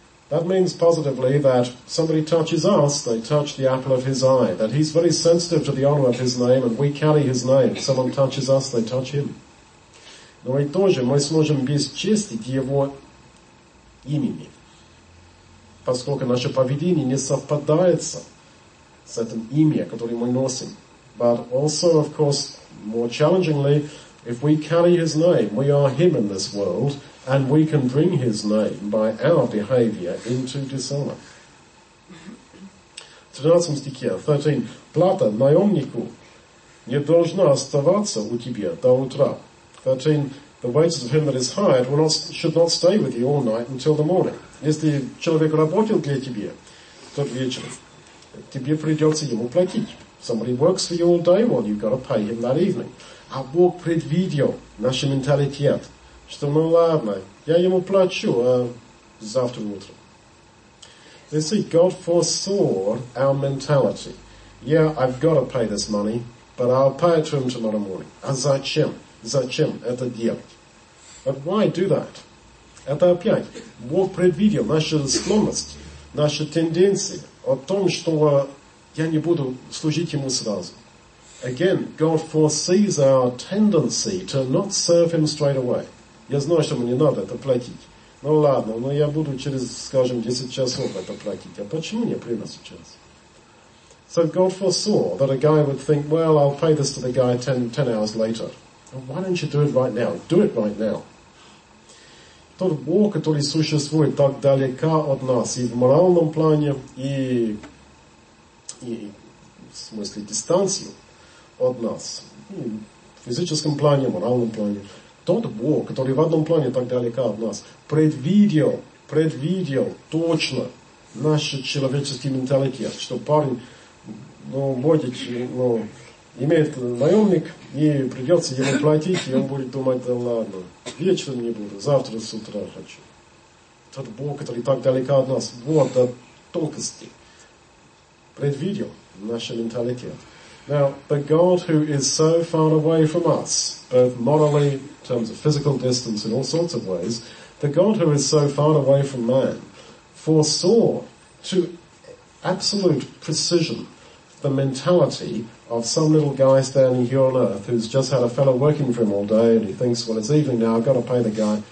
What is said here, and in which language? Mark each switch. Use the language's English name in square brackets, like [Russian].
[English] That means positively that somebody touches us, they touch the apple of His eye, that He's very sensitive to the honor of His name, and we carry His name. Someone touches us, they touch Him. [Russian] Но и тоже мы сможем бесчестить Его имени, поскольку наше поведение не совпадает с этим именем, которое мы носим. [English] But also, of course, more challengingly, if we carry His name, we are Him in this world, and we can bring His name by our behavior into dishonor. [Russian] 13 стихе, 13. Плата наемнику не должна оставаться у тебя до утра. 13. [English] The wages of him that is hired should not stay with you all night until the morning. [Russian] Если человек работал для тебя тот вечер, тебе придется ему платить. [English] Somebody works for you all day, well, you've got to pay him that evening. [Russian] А Бог предвидел наш менталитет, что, ну ладно, я ему плачу завтра утром. [English] You see, God foresaw our mentality. Yeah, I've got to pay this money, but I'll pay it to him tomorrow morning. [Russian] А зачем? Зачем это делать? [English] But why do that? [Russian] Это опять, Бог предвидел нашу склонность, нашу тенденцию о том, что я не буду служить Ему сразу. [English] Again, God foresees our tendency to not serve Him straight away. [Russian] Я знаю, что мне надо это платить. Ну ладно, но я буду через, скажем, 10 часов это платить. А почему не прямо сейчас? [English] So God foresaw that a guy would think, well, I'll pay this to the guy 10 hours later. Why don't you do it right now? Do it right now. [Russian] Тот Бог, который существует так далеко от нас и в моральном плане, и в смысле дистанцию от нас, в физическом плане, в моральном плане, тот Бог, который в одном плане так далеко от нас, предвидел точно наш человеческий менталитет, что парень, ну, будет, ну, имеет наемник, и придется ему платить, и он будет думать, да ладно, вечером не буду, завтра с утра хочу. Тот Бог, который так далеко от нас, вот до тонкости, предвидел наш менталитет. [English] Now, the God who is so far away from us, both morally, in terms of physical distance, in all sorts of ways, the God who is so far away from man, foresaw to absolute precision the mentality of some little guy standing here on earth who's just had a fellow working for him all day and he thinks, well, it's evening now, I've got to pay the guy.